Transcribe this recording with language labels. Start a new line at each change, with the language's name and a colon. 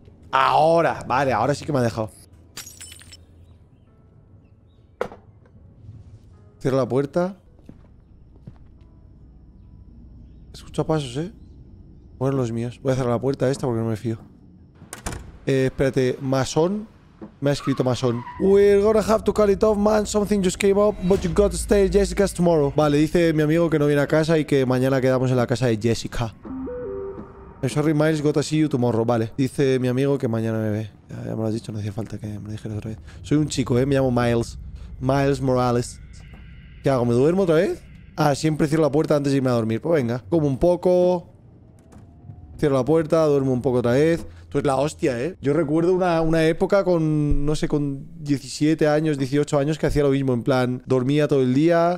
Spanish: Ahora, vale, ahora sí que me ha dejado. Cierro la puerta. Escucho pasos, ¿eh? Bueno, los míos. Voy a cerrar la puerta esta porque no me fío. Espérate, masón. Me ha escrito masón.
English: We're gonna have to call it off, man. Something just came up, but you gotta stay at Jessica's tomorrow.
Spanish: Vale, dice mi amigo que no viene a casa y que mañana quedamos en la casa de Jessica.
English: I'm sorry, Miles, got to see you tomorrow.
Spanish: Vale. Dice mi amigo que mañana me ve. Ya me lo has dicho, no hacía falta que me lo dijeras otra vez. Soy un chico, ¿eh? Me llamo Miles. Miles Morales. ¿Qué hago? ¿Me duermo otra vez? Ah, siempre cierro la puerta antes de irme a dormir. Pues venga, como un poco. Cierro la puerta, duermo un poco otra vez. Esto es la hostia, ¿eh? Yo recuerdo una época con, no sé, con 17 años, 18 años, que hacía lo mismo, en plan, dormía todo el día.